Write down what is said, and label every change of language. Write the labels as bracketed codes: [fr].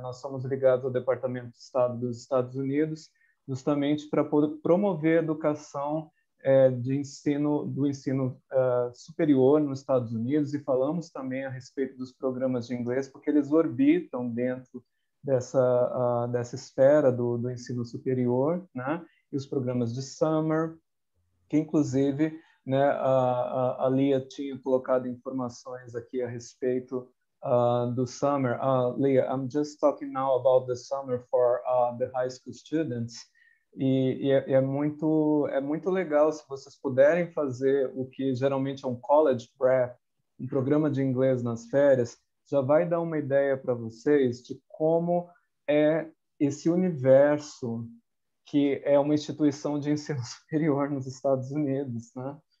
[pt] Nós somos ligados ao Departamento de Estado dos Estados Unidos, justamente para promover a educação do ensino superior nos Estados Unidos, e falamos também a respeito dos programas de inglês, porque eles orbitam dentro dessa esfera do ensino superior, né? E os programas de summer, que inclusive, né, a Lia tinha colocado informações aqui a respeito do summer. [en] Lia, I'm just talking now about the summer for the high school students. [pt] E é muito legal se vocês puderem fazer o que geralmente é um college prep, um programa de inglês nas férias. Já vai dar uma ideia para vocês de como é esse universo que é uma instituição de ensino superior nos Estados Unidos, né?